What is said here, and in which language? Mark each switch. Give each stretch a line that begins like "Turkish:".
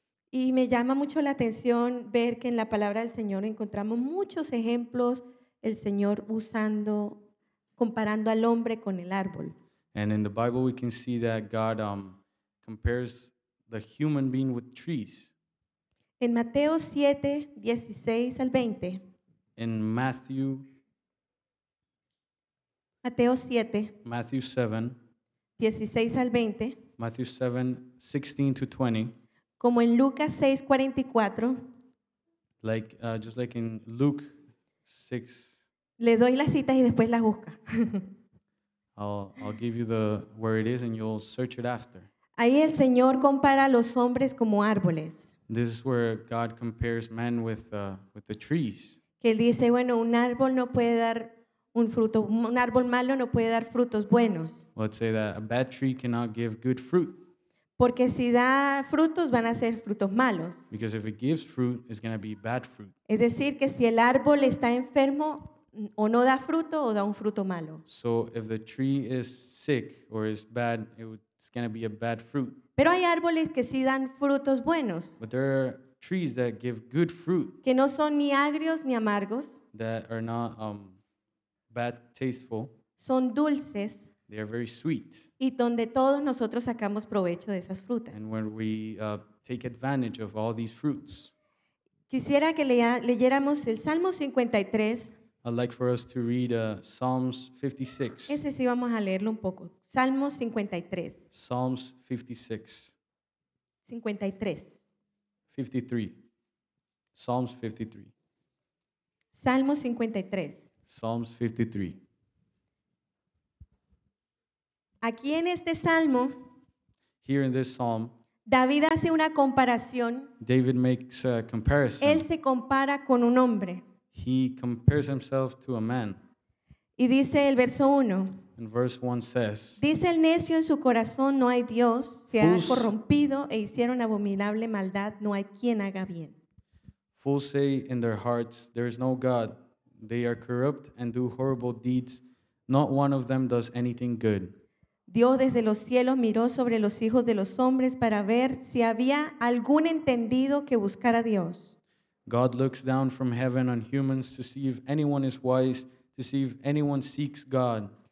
Spanish: Y me llama mucho la atención ver que en la palabra del Señor encontramos muchos ejemplos el Señor usando comparando al hombre con el árbol.
English: And in the Bible we can see that God compares the human being with trees.
Spanish: En Mateo 7, 16 al 20.
English: In Matthew.
Spanish: Mateo 7.
English: Matthew 7.
Spanish: 16 al 20.
English: Matthew 7, 16 to 20.
Spanish: Como en Lucas 6, 44.
English: Like, just like in Luke 6.
Spanish: Le doy las citas y después las busca.
English: I'll give you the where it is and you'll search it after.
Spanish: Ahí el Señor compara a los hombres como árboles.
English: This is where God compares men with the trees.
Spanish: Que él dice, bueno, un árbol no puede dar un fruto, un árbol malo no puede dar frutos buenos.
English: Let's say that a bad tree cannot give good fruit.
Spanish: Porque si da frutos, van a ser frutos malos.
English: Because if it gives fruit, it's going to be bad fruit.
Spanish: Es decir, que si el árbol está enfermo, o no da fruto o da un fruto malo.
English: So if the tree is sick or is bad, it's going to be a bad fruit.
Spanish: Pero hay árboles que sí dan frutos buenos.
English: But there are trees that give good fruit.
Spanish: Que no son ni agrios ni amargos.
English: That are not bad tasteful.
Spanish: Son dulces.
English: They are very sweet.
Spanish: Y donde todos nosotros sacamos provecho de esas frutas.
English: And where we take advantage of all these fruits.
Spanish: Quisiera que leyéramos el Salmo 53.
English: I'd like for us to read Psalms 56.
Spanish: Ese sí vamos a leerlo un poco. Salmos 53.
English: Psalms 56.
Spanish: 53.
English: 53. Psalms 53.
Spanish: Salmos 53.
English: Psalms 53.
Spanish: Aquí en este salmo.
English: Here in this psalm.
Spanish: David hace una comparación.
English: David makes a comparison.
Spanish: Él se compara con un hombre.
English: He compares himself to a man.
Spanish: Y dice el verso 1.
English: And verse 1 says,
Spanish: dice el necio en su corazón, no hay Dios, se ha corrompido e hicieron abominable maldad, no hay quien haga bien.
English: Fools say in their hearts, there is no God. They are corrupt and do horrible deeds. Not one of them does anything good.
Spanish: Dios desde los cielos miró sobre los hijos de los hombres para ver si había algún entendido que buscara a Dios.
English: God looks down from heaven on humans to see if anyone is wise, to see if anyone seeks God.